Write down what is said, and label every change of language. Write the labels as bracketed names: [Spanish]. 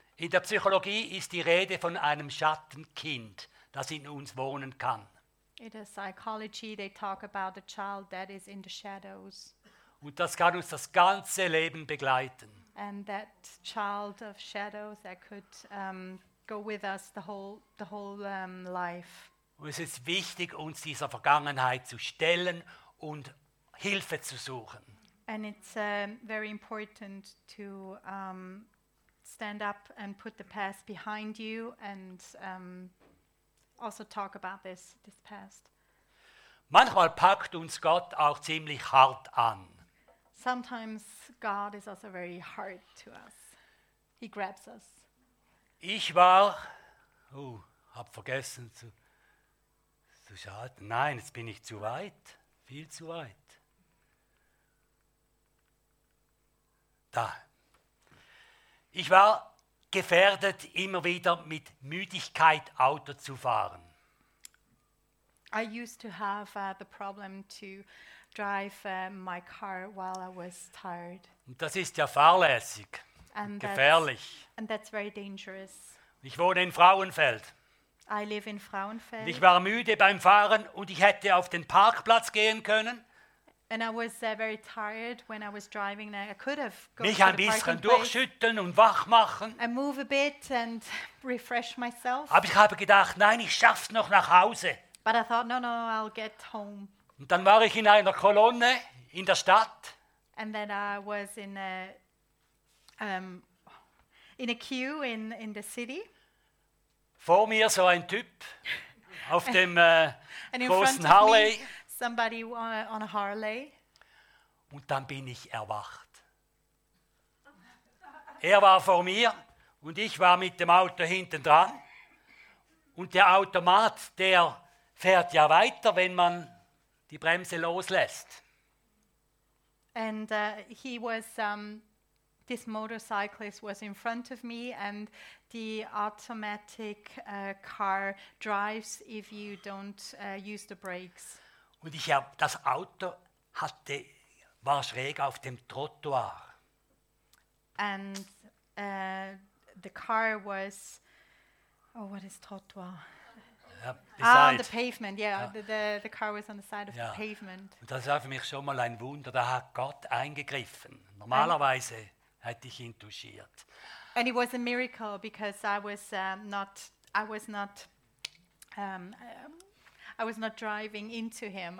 [German] In der Psychologie ist die Rede von einem Schattenkind, das in uns wohnen kann. [English] In the psychology they talk about a child that is in the shadows. [German] Und das kann uns das ganze Leben begleiten. [English] And that child of shadows that could go with us the whole life. [German] Und es ist wichtig, uns dieser Vergangenheit zu stellen und Hilfe zu suchen. [English] And it's very important to stand up and put the past behind you and also talk about this past. [German] Manchmal packt uns Gott auch ziemlich hart an. [English] Sometimes God is also very hard to us. He grabs us. [German] Ich war, hab vergessen zu schalten. Nein, jetzt bin ich zu weit, viel zu weit. Da. Ich war gefährdet, immer wieder mit Müdigkeit Auto zu fahren. [English] I used to have the problem to drive my car while I was tired. [German] Und das ist ja fahrlässig, and gefährlich. [English] And that's very dangerous. [German] Ich wohne in Frauenfeld. [English] I live in Frauenfeld. [German] Und ich war müde beim Fahren und ich hätte auf den Parkplatz gehen können. [English] And I was very tired when I was driving. I could have gone [German] mich ein bisschen durchschütteln und wach machen. [English] I move a bit and refresh myself. [German] Aber ich habe gedacht, nein, ich schaff's noch nach Hause. [English] But I thought, no, I'll get home. [German] Und dann war ich in einer Kolonne in der Stadt. [English] And then I was in a queue in the city. [German] Vor mir so ein Typ auf dem großen Harley. [English] Somebody on a Harley. [German] Und dann bin ich erwacht. Er war vor mir und ich war mit dem Auto hinten dran. Und der Automat, der fährt ja weiter, wenn man die Bremse loslässt. [English] And he was this motorcyclist was in front of me and the automatic car drives if you don't use the brakes. [German] Und ich habe das Auto hatte war schräg auf dem Trottoir. [English] And the car was, oh, what is Trottoir? Ah, on the pavement. Yeah, the car was on the side of the pavement. [German] Und das war für mich schon mal ein Wunder. Da hat Gott eingegriffen. Normalerweise hätte ich ihn touchiert. [English] And it was a miracle because I was not driving into him.